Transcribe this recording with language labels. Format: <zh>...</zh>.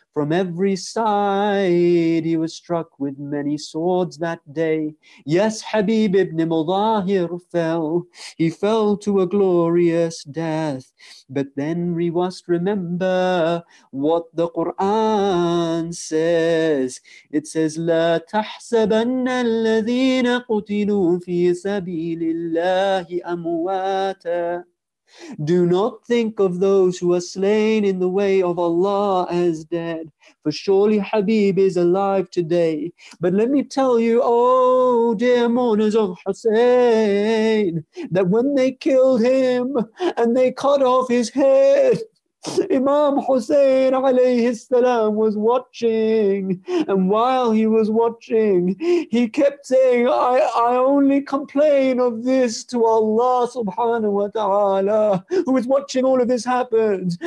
<en>From every side, he was struck with many swords that day. Yes, Habib ibn Mudahir fell. He fell to a glorious death. But then we must remember what the Quran says.</en> <ar>It says, لا تحسبن الذين قتلوا في سبيل الله أمواتا.</ar> <en>Do not think of those who are slain in the way of Allah as dead, for surely Habib is alive today. But let me tell you, oh dear mourners of Hussein, that when they killed him and they cut off his head, Imam Hussein alayhi salam was watching, and while he was watching, he kept saying, I only complain of this to Allah subhanahu wa ta'ala, who is watching all of this happen.</en>